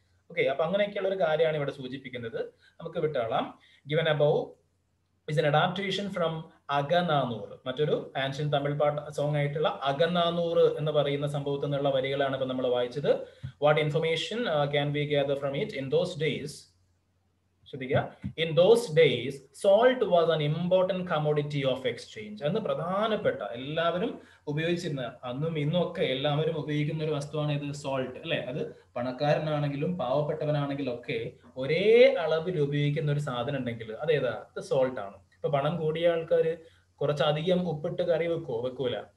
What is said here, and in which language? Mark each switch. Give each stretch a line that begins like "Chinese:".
Malayalam: Okay, അപ്പൊ അങ്ങനെയൊക്കെയുള്ള ഒരു കാര്യമാണ് ഇവിടെ സൂചിപ്പിക്കുന്നത്. നമുക്ക് വിട്ടാളാം.
English: given above is an adaptation from
Malayalam: അകനാനൂർ, മറ്റൊരു ആൻഷ്യൻ തമിഴ് പാട്ട് സോങ് ആയിട്ടുള്ള അകനാനൂർ എന്ന് പറയുന്ന സംഭവത്തിൽ നിന്നുള്ള വരികളാണ് ഇപ്പൊ നമ്മൾ വായിച്ചത്.
English: What information can be gather from it in those days. In those days, salt was an important commodity of exchange.
Malayalam: അന്ന് പ്രധാനപ്പെട്ട, എല്ലാവരും ഉപയോഗിച്ചിരുന്ന, അന്നും ഇന്നും ഒക്കെ എല്ലാവരും ഉപയോഗിക്കുന്ന ഒരു വസ്തുവാണ് ഇത്, സോൾട്ട് അല്ലെ. അത് പണക്കാരനാണെങ്കിലും പാവപ്പെട്ടവനാണെങ്കിലും ഒക്കെ ഒരേ അളവിൽ ഉപയോഗിക്കുന്ന ഒരു സാധനം ഉണ്ടെങ്കിൽ അത് ഏതാ? അത് സോൾട്ട് ആണ്. ഇപ്പൊ പണം കൂടിയ ആൾക്കാര് കുറച്ചധികം ഉപ്പിട്ട് കറി വെക്കോ? വെക്കൂല.